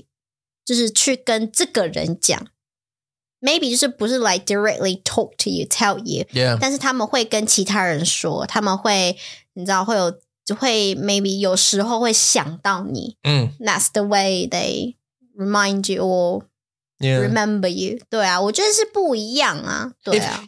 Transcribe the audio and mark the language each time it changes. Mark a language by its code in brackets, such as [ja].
[zh] 但是他们就是不会就是去跟这个人讲。 [en] Maybe [zh] 就是不是 [en] like directly talk to you, tell you. Yeah. [zh] 但是他们会跟其他人说, 他们会, 你知道, 会有, 会 [en] maybe [zh] 有时候会想到你。 [en] That's the way they remind you or... Yeah. Remember you. [zh] 对啊,我觉得是不一样啊,对啊。